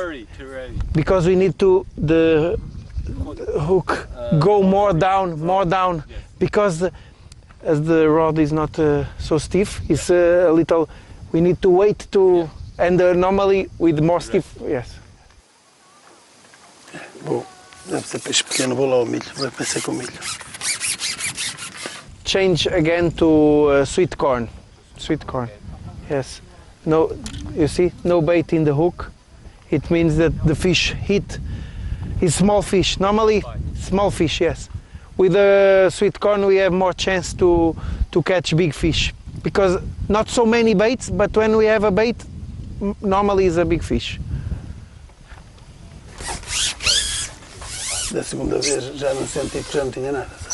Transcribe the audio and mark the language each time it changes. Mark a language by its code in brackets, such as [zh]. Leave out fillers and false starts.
[en] Too early. Because we need to, the hook go more down, rod. More down. Yes. Because as the rod is not so stiff, it's a little, we need to wait to, yeah. And normally with more right. Stiff, yes. [pt] Deve ser peixe pequeno, vou lá ao milho, vai pensar com milho. [en] Change again to sweet corn. Sweet corn, yes. No, you see, no bait in the hook. It means that the fish hit, it's small fish, normally small fish, yes. With the sweet corn, we have more chance to catch big fish because not so many baits. But when we have a bait, normally is a big fish. [pt] Da segunda vez já não senti que já não tinha nada.